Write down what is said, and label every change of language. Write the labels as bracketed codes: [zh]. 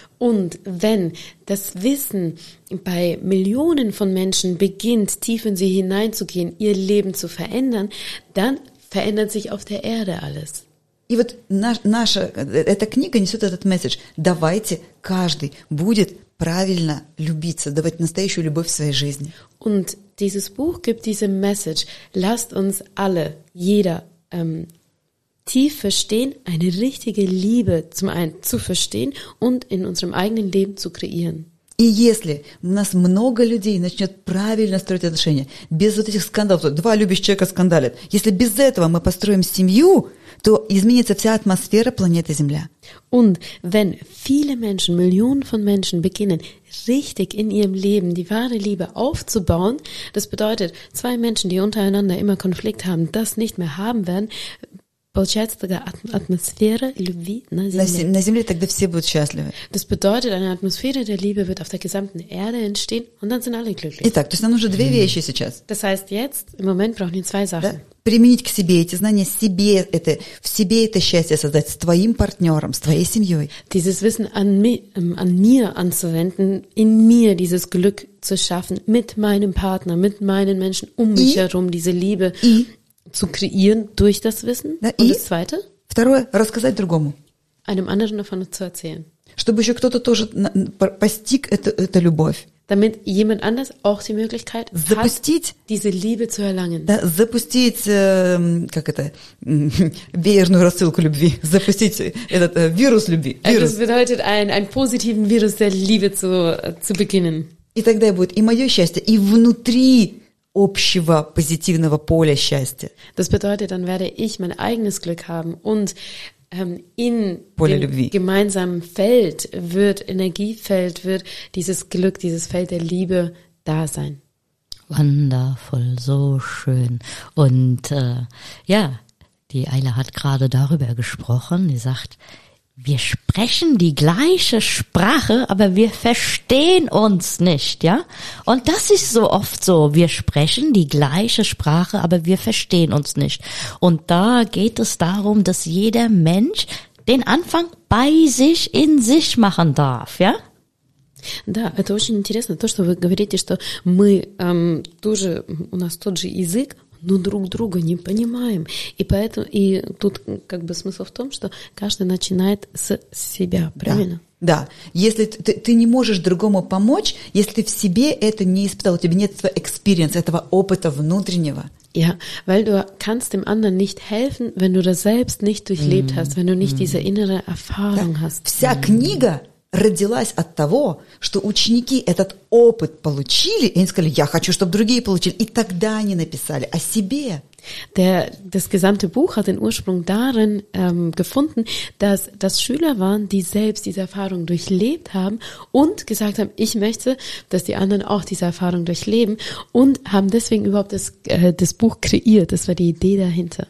[de] Und wenn das Wissen bei Millionen von Menschen beginnt, tief in sie hineinzugehen, ihr Leben zu verändern, dann verändert sich auf der Erde alles. [ru] И вот наша эта книга несет этот месседж. Давайте каждый будет правильно любиться, давать настоящую любовь в своей жизни. [de] Und dieses Buch gibt diese Message. Lasst uns alle, jeder, tief verstehen, eine richtige Liebe zum einen zu verstehen und in unserem eigenen Leben zu kreieren. [ru] И если у нас много людей начнет правильно строить отношения, без вот этих скандалов, то два любящих человека скандалят. Если без этого мы построим семью, то изменится вся атмосфера планеты Земля. [de] Und wenn viele Menschen, Millionen von Menschen beginnen, richtig in ihrem Leben die wahre Liebe aufzubauen, das bedeutet, zwei Menschen, die untereinander immer Konflikt haben, das nicht mehr haben werden, [ru] получается такая атмосфера любви на Земле. На Земле тогда все будут счастливы. [de] Das bedeutet, eine Atmosphäre der Liebe wird auf der gesamten Erde entstehen und dann sind alle glücklich. [ru] Итак, то есть нам нужны две вещи сейчас. [de] Das heißt, jetzt, im Moment brauchen wir zwei Sachen. [ru] Да? Применить к себе эти знания, себе это, в себе это счастье создать, с твоим партнером, с твоей семьей. [de] Dieses Wissen an mir anzuwenden, in mir dieses Glück zu schaffen, mit meinem Partner, mit meinen Menschen um mich herum, diese Liebe. Zu kreieren durch das Wissen. [ru] Да, [de] und das Zweite? [ru] Второе, рассказать другому. [de] Einem anderen davon zu erzählen. [ru] Чтобы еще кто-то тоже постиг эту любовь. [de] Damit jemand anders auch die Möglichkeit [ru] запустить, [de] hat, diese Liebe zu erlangen. [ru] Да, запустить, как это, веерную рассылку любви. Запустить этот вирус любви. [de] Das bedeutet, einen positiven Virus der Liebe zu beginnen. [ru] И тогда будет и мое счастье, и внутри общего позитивного поля счастья. [de] Das bedeutet, dann werde ich mein eigenes Glück haben und in [ru] поле [de] dem [ru] любви. [de] Gemeinsamen Feld wird Energiefeld wird dieses Glück, dieses Feld der Liebe da sein. Wundervoll, so schön. Und ja, die Ayla hat gerade darüber gesprochen, die sagt, wir sprechen die gleiche Sprache, aber wir verstehen uns nicht, ja? Und das ist so oft so. Wir sprechen die gleiche Sprache, aber wir verstehen uns nicht. Und da geht es darum, dass jeder Mensch den Anfang bei sich in sich machen darf, ja? [ru] Да, это очень интересно, то, что вы говорите, что мы тоже, у нас тот же язык, но друг друга не понимаем. И поэтому и тут как бы смысл в том, что каждый начинает с себя, правильно? Да, да. Если ты не можешь другому помочь, если ты в себе это не испытал, у тебя нет этого experience, этого опыта внутреннего. [de] Ja, weil du kannst dem anderen nicht helfen, wenn du das selbst nicht durchlebt hast, wenn du nicht diese innere Erfahrung hast. [ru] Вся книга родилась от того, что ученики этот опыт получили, и они сказали, я хочу, чтобы другие получили. И тогда они написали о себе. [de] Das gesamte Buch hat den Ursprung darin gefunden, dass Schüler waren, die selbst diese Erfahrung durchlebt haben und gesagt haben, ich möchte, dass die anderen auch diese Erfahrung durchleben und haben deswegen überhaupt das Buch kreiert. Das war die Idee dahinter.